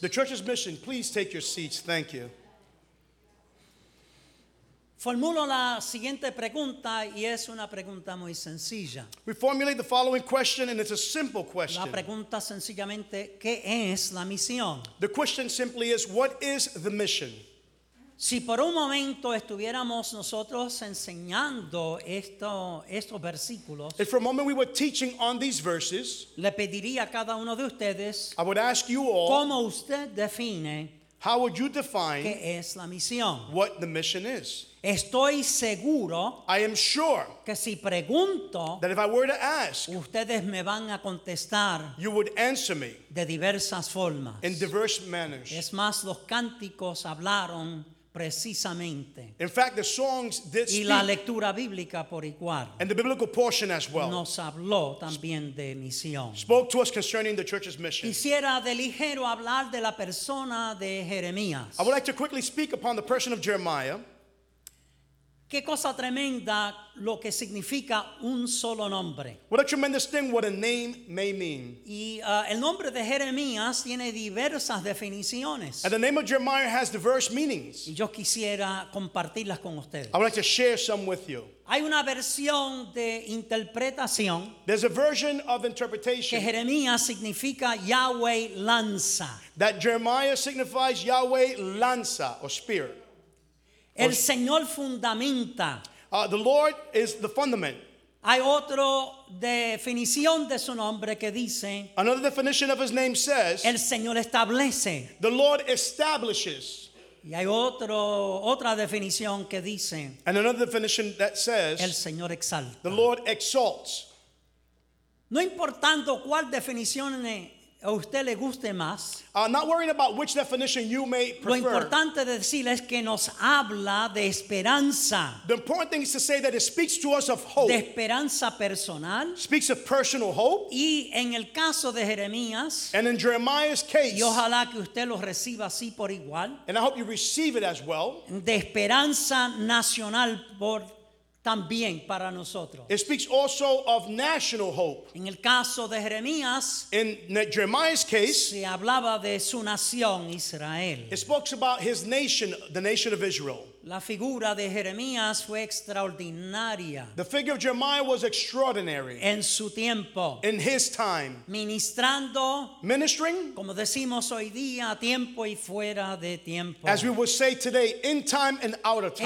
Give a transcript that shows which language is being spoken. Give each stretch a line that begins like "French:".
English: The church's mission. Please take your seats. Thank you.
Spanish: Formulo la siguiente pregunta y es una pregunta muy sencilla.
English: We formulate the following question and it's a simple question.
Spanish: La pregunta sencillamente, ¿qué es la misión?
English: The question simply is, what is the mission?
Spanish: Si por un momento estuviéramos nosotros enseñando estos versículos,
English: if for a moment we were teaching on these verses,
Spanish: le pediría a cada uno de ustedes,
English: I would ask you all,
Spanish: ¿cómo usted define?
English: How would you define
Spanish: ¿qué es la misión?
English: What the mission is?
Spanish: Estoy seguro,
English: I am sure,
Spanish: que si pregunto,
English: that if I were to ask,
Spanish: ustedes me van a contestar,
English: you would answer me,
Spanish: de diversas formas,
English: in diverse manners.
Spanish: Es más, los cánticos hablaron precisamente.
English: In fact, the songs did speak,
Spanish: y la lectura bíblica por igual,
English: and the biblical portion as well,
Spanish: nos habló también de misión,
English: spoke to us concerning the church's mission.
Spanish: Quisiera de ligero hablar de la persona de Jeremías.
English: I would like to quickly speak upon the person of Jeremiah.
Spanish: Qué cosa tremenda lo que significa un solo nombre.
English: What a tremendous thing what a name may mean.
Spanish: Y el nombre de Jeremías tiene diversas definiciones.
English: And the name of Jeremiah has diverse meanings.
Spanish: Y yo quisiera compartirlas con ustedes.
English: I would like to share some with you.
Spanish: Hay una versión de interpretación.
English: There's a version of interpretation.
Spanish: Que Jeremías significa Yahweh lanza.
English: That Jeremiah signifies Yahweh lanza or spear.
Spanish: El Señor fundamenta.
English: The Lord is the fundament.
Spanish: Hay otra definición de su nombre que dice.
English: Another definition of his name says.
Spanish: El Señor establece.
English: The Lord establishes.
Spanish: Y hay otra definición que dice.
English: And another definition that says.
Spanish: El Señor exalta.
English: The Lord exalts.
Spanish: No importando cuál definición es. A usted le guste más.
English: Not worrying about which definition you may prefer.
Spanish: Lo importante de decir es que nos habla de esperanza.
English: The important thing is to say that it speaks to us of hope.
Spanish: De esperanza personal.
English: Speaks of personal hope.
Spanish: Y en el caso de Jeremías.
English: And in Jeremiah's case.
Spanish: Y ojalá que usted lo reciba así por igual.
English: And I hope you receive it as well.
Spanish: De esperanza nacional por también para nosotros.
English: It speaks also of national hope.
Spanish: En el caso de Jeremías,
English: in Jeremiah's case,
Spanish: se hablaba de su nación Israel.
English: It spoke about his nation, the nation of Israel.
Spanish: La figura de Jeremías fue extraordinaria.
English: The figure of Jeremiah was extraordinary.
Spanish: En su tiempo.
English: In his time.
Spanish: Ministrando.
English: Ministering.
Spanish: Como decimos hoy día, a tiempo y fuera de tiempo.
English: As we would say today, in time and out of time.